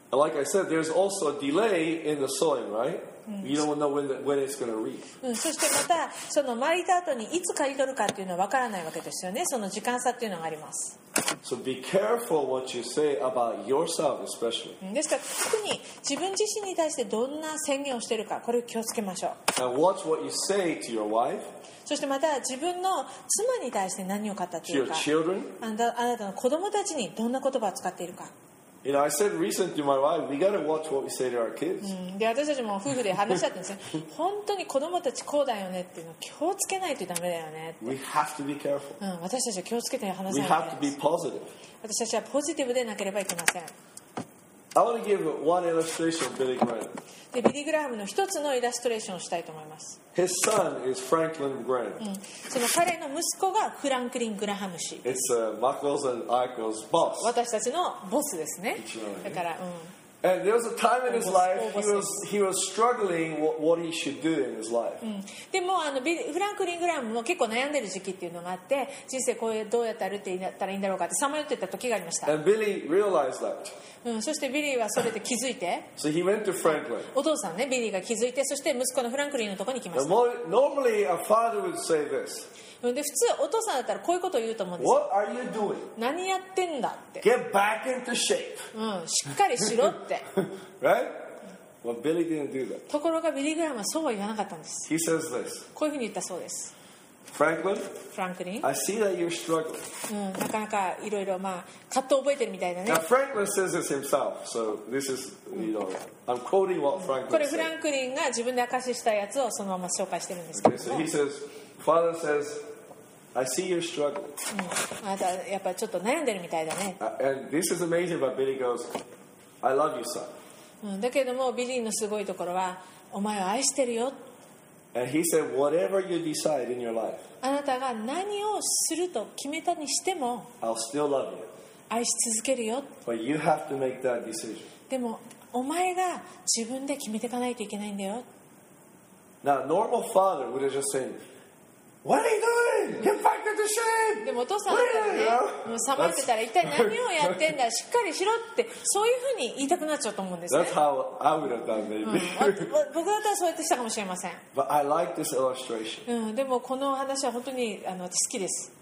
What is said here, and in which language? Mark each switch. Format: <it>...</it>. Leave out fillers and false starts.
<en>Like I said, there's also a delay in the sowing, right? You don't know when it's going to reap.</en> <ja>そしてまたその蒔いた後にいつ刈り取るかっていうのは分からないわけですよね。その時間差っていうのがあります。</ja> <en>So be careful what you say about yourself, especially.</en> <ja>ですから特に自分自身に対してどんな宣言をしているか、これを気をつけましょう。</ja> <en>And watch what you say to your wife.</en> <ja>そしてまた自分の妻に対して何を語っているか、</ja> <en>children?</en> <ja>あなたの子供たちにどんな言葉を使っているか。</ja> <en>You know, I said recently to my wife, we gotta watch what we say to our kids.</en> <ja>で、私たちも夫婦で話し合ってるんですね。本当に子供たちこうだよねっていうのを気をつけないとダメだよねって。</ja> <en>We have to be careful.</en> <ja>私たちは気をつけて話さないと。</ja> <en>We have to be positive.</en> <ja>私たちはポジティブでなければいけません。</ja> <en>I want to give one illustration of Billy Graham.</en> <ja>で、ビリー・グラハムの一つのイラストレーションをしたいと思います。</ja> <en>His son is Franklin Graham.</en> <ja>その彼の息子がフランクリン・グラハム氏。</ja> <en>It's Michael's and Michael's boss.</en> <ja>私たちのボスですね。だから、</ja> <en>And there was a time in his life he was struggling what he should do in his life.</en> <ja>でもフランクリン・グラムも結構悩んでる時期っていうのがあって、人生こうどうやって歩いたらいいんだろうかってさまよってた時がありました。</ja> <en>And Billy realized that.</en> <ja>そしてビリーはそれで気づいて。</ja> <en>So he went to Franklin.</en> <ja>お父さんね、ビリーが気づいて、そして息子のフランクリンのとこに来ました。</ja> <en>Normally a father would say this.</en> <ja>で普通お父さんだったらこういうことを言うと思うんですよ。</ja> <en>What are you doing?</en> <ja>何やってんだって。</ja> <en>Get back into shape.</en> <ja>しっかりしろって。</ja> <en>right? Well, Billy didn't do that.</en> <ja>ところがビリー・グラムはそうは言わなかったんです。</ja> <en>He says this.</en> <ja>こういうふうに言ったそうです。</ja> <en>Franklin. Franklin. I see that you're struggling.</en> <ja>なかなかいろいろまあ葛藤覚えてるみたいだね。</ja> <en>Now Franklin says this himself. So this is you know I'm quoting what Franklin.</en> <ja>これフランクリンが自分で明かししたやつをそのまま紹介してるんですけど。</ja> <en>Okay, so he says. Father says, I see you're struggling.</en> <ja>あなたやっぱちょっと悩んでるみたいだね。</ja> <en>And this is amazing, but Billy goes, I love you, son.</en> <ja>だけどもビリーのすごいところはお前を愛してるよ。</ja> <en>And he said, whatever you decide in your life,</en> <ja>あなたが何をすると決めたにしても</ja> <en>I'll still love you.</en> <ja>愛し続けるよ。</ja> <en>But you have to make that decision.</en> <ja>でもお前が自分で決めていかないといけないんだよ。</ja> <en>Now, normal father would have just said,What are you doing? Get back into shape.</en> <ja>でもお父さんだったらね、もうさまってたら一体何をやってんだ、しっかりしろってそういうふうに言いたくなっちゃうと思うんですね。</ja> <en>That's how I would have done maybe.</en> <ja>僕だったらそうやってしたかもしれません。</ja> <en>But I like this illustration.</en> <ja>でもこの話は本当に好きです。</ja>